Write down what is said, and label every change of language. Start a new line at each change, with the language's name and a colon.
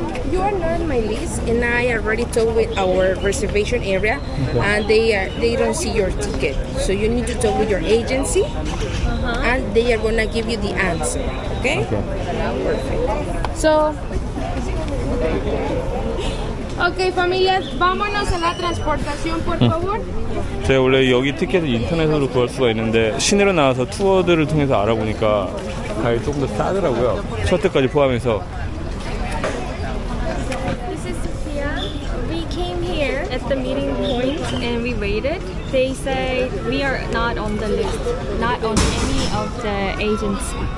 English: You are not on my list, and I already told with our reservation area, and they don't see your ticket. So you need to talk with your agency, and they are gonna give you the answer. Okay? Perfect. So, okay,
Spanish: familia, vámonos a la transportación, por favor.
Korean: 제가 원래 여기 티켓을 인터넷으로 구할 수가 있는데 시내로 나와서 투어들을 통해서 알아보니까 가격이 조금 더 싸더라고요. 셔틀까지 포함해서.
English: This is Sophia. We came here at the meeting point and we waited. They say we are not on the list, not on any of the agents.